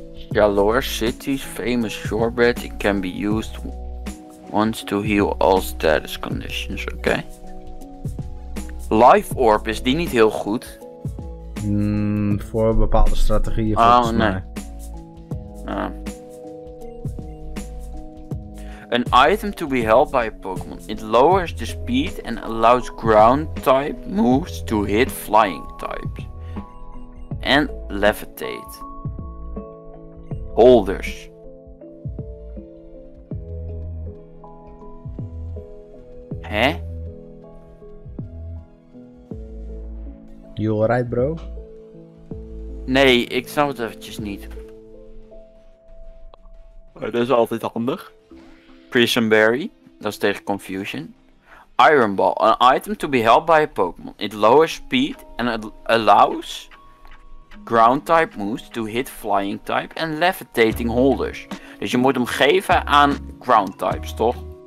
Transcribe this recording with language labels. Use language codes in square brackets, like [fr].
[en] Jalor City's famous shortbread can be used once to heal all status conditions, oké. Okay? [nl] Life Orb, is die niet heel goed? Voor bepaalde strategieën, volgens mij. [en] An item to be held by a Pokémon. It lowers the speed and allows ground type moves to hit flying types. En levitate. Holders. Hè? You alright, bro? [nl] Nee, ik snap het eventjes niet. Maar dat is altijd handig. Prism Berry, dat is tegen Confusion. [en] Iron Ball, an item to be held by a Pokémon. It lowers speed and allows ground-type moves to hit flying-type and levitating holders. [nl] Dus je moet hem geven aan ground-types, toch?